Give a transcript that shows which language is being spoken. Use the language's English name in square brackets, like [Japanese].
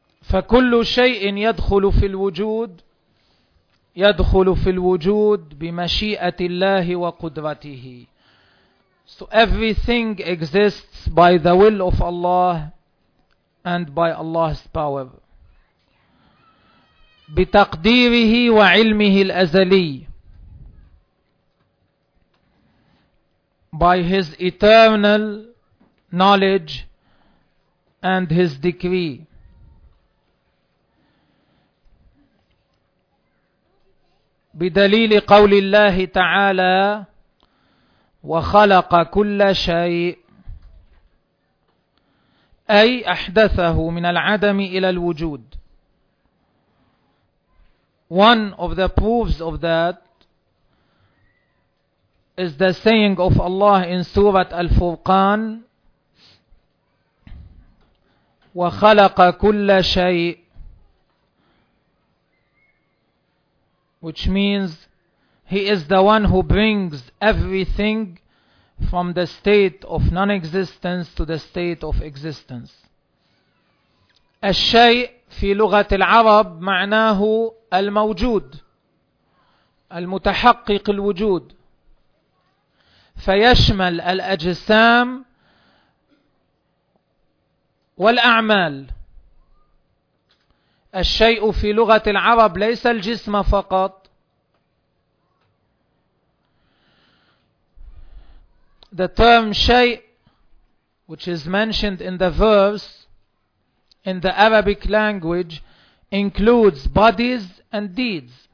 [Arabic] فكل شيء يدخل في الوجود يدخل في الوجود بمشيئة الله وقدرته. [English] So everything exists by the will of Allah and by Allah's power. [Arabic] بتقديره وعلمه الأزلي. [English] By His eternal knowledge and His decree. [Arabic] بدليل قول الله تعالى وخلق كل شيء، أي أحدثه من العدم إلى الوجود. [English] One of the proofs of that is the saying of Allah in Surah Al-Furqan [Arabic] وخلق كل شيء، [English] which means He is the one who brings everything from the state of non-existence to the state of existence. [Arabic] الشيء في لغة العرب معناه الموجود، المتحقق الوجود، فيشمل الأجسام والأعمال. الشيء في لغة العرب ليس الجسم فقط. [English] The term شيء, which is mentioned in the verse, in the Arabic language, includes bodies and deeds.